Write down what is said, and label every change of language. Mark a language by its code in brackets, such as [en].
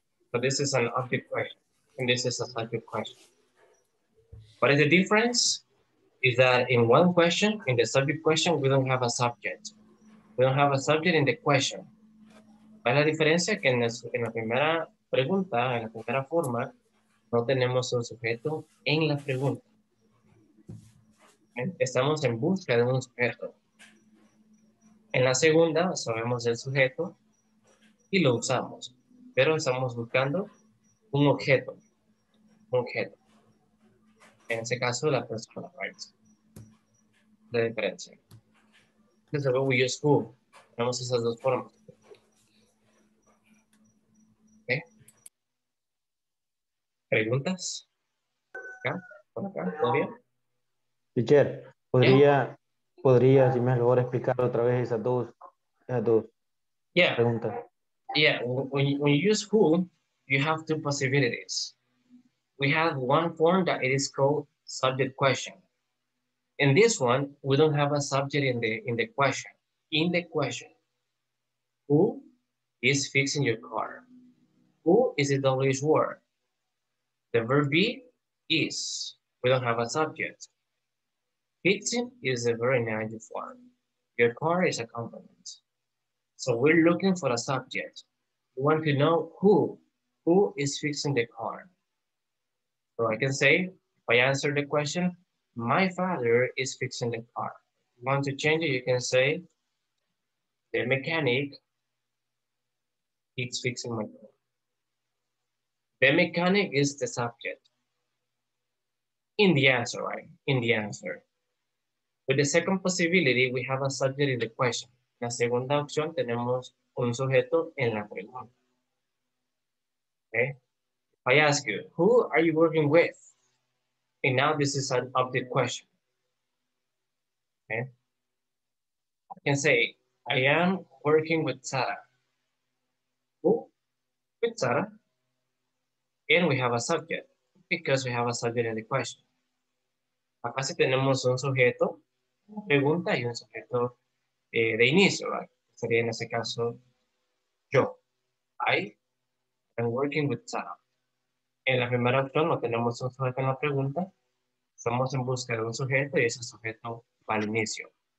[en] So this is an object question. And this is a subject question. What is the difference? Is that in one question, in the subject question, we don't have a subject. We don't have a subject in the question. [es] ¿Cuál es la diferencia? Que en la primera pregunta, en la primera forma, no tenemos un sujeto en la pregunta. Estamos en busca de un sujeto. En la segunda, sabemos el sujeto y lo usamos. Pero estamos buscando un objeto. Un objeto. En ese caso, la persona, right? La diferencia. Desde luego, [en] we use who. [es] Tenemos esas dos formas. [en] ¿Okay? [es] ¿Preguntas? ¿Acá? ¿Por acá? ¿Todo bien? Teacher, ¿podría, podría, si me lo voy a explicar otra vez esas dos, preguntas? [en] Yeah, when you use who, you have two possibilities. We have one form that it is called subject question. In this one, we don't have a subject in the question. In the question, who is fixing your car? Who is the WH word? The verb be is. We don't have a subject. Fixing is a very negative form. Your car is a component. So we're looking for a subject. We want to know who is fixing the car. So I can say, if I answer the question, my father is fixing the car. If you want to change it, you can say, the mechanic is fixing my car. The mechanic is the subject. In the answer, right? In the answer. With the second possibility, we have a subject in the question. [es] La segunda opción, tenemos un sujeto en la pregunta. [en] Okay? If I ask you, who are you working with? And now this is an object question. Okay? I can say, I am working with Sara. Who? With Sara. And we have a subject, because we have a subject in the question. [es] Acá sí tenemos un sujeto, una pregunta y un sujeto de inicio, right? Sería en ese caso yo. [en] I am working with Sara. [es] En la primera opción no tenemos un sujeto en la pregunta. Estamos en busca de un sujeto y ese sujeto va al inicio.